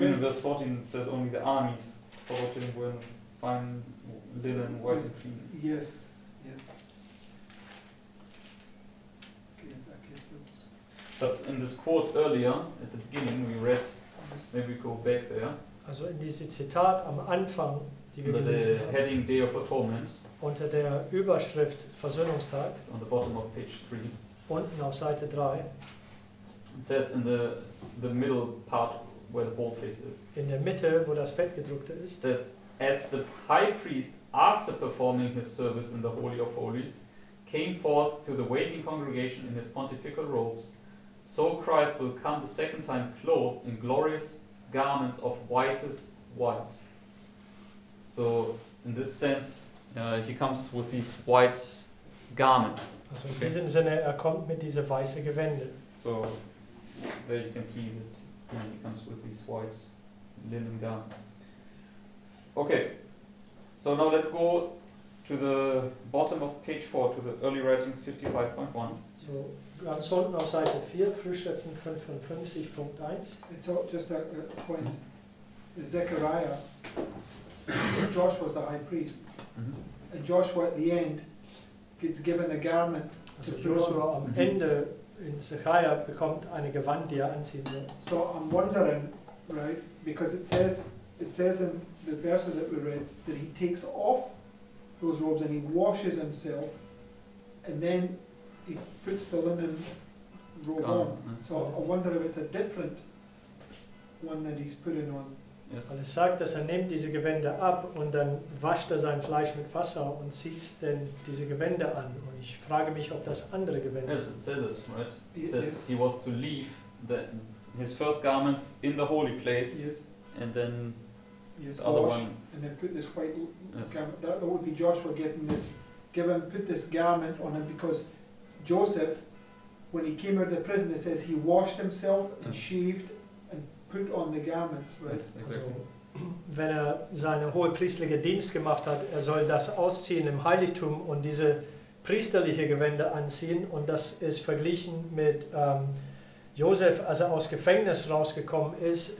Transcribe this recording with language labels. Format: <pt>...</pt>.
<en>I mean, in verse 14, it says only the armies followed him when fine linen, white and clean. Yes, yes. Okay, in that case, that's. But in this quote earlier, at the beginning, we read. Maybe we go back there.</en> <de>Also in diese Zitat am Anfang, die wir gelesen haben.</de> <en>Under the heading Day of Atonement.</en> <de>Unter der Überschrift Versöhnungstag.</de> <en>On the bottom of page 3.</en> <de>Unten auf Seite 3.</de> <en>It says in the middle part where the bold face is.</en> <de>In der Mitte, wo das Fettgedruckte ist.</de> <en>It says, as the high priest, after performing his service in the Holy of Holies, came forth to the waiting congregation in his pontifical robes, so Christ will come the second time clothed in glorious garments of whitest white. So, in this sense, he comes with these white garments.</en> <de>Also in diesem Sinne, er kommt mit diese weiße Gewände.</de> <en>So, there you can see that he comes with these white linen garments. Okay, so now let's go to the bottom of page 4, to the early writings 55.1.</en> <de>So, ganz unten auf Seite 4, Frühschriften 55.1.</de> <en>It's all just a point. Zechariah, Joshua was the high priest, mm-hmm. and Joshua at the end gets given a garment to</en> <de>Joshua am Ende. In Zechariah bekommt eine Gewand, die er anziehen soll.</de> <en>So I'm wondering, right, because it says in the verses that we read, that he takes off those robes and he washes himself, and then he puts the linen robe on. So I wonder if it's a different one that he's putting on. Yes.</en> <de>Und es sagt, dass nimmt diese Gewänder ab und dann wascht sein Fleisch mit Wasser und zieht dann diese Gewänder an. Und ich frage mich, ob das andere Gewänder.</de> <en>Yes, it says it, right? It says he was to leave the, his first garments in the holy place, yes. And then yes, the other one. And then put this white yes. garment. That would be Joshua getting this. Give him, put this garment on him, because Joseph, when he came out of the prison, it says he washed himself and yes. shaved. Put on the garments, right? Yes, exactly.</en> <de>Also, wenn er seinen hohepriesterlichen Dienst gemacht hat, er soll das ausziehen im Heiligtum und diese priesterliche Gewänder anziehen. Und das ist verglichen mit Josef, als er aus Gefängnis rausgekommen ist.</de>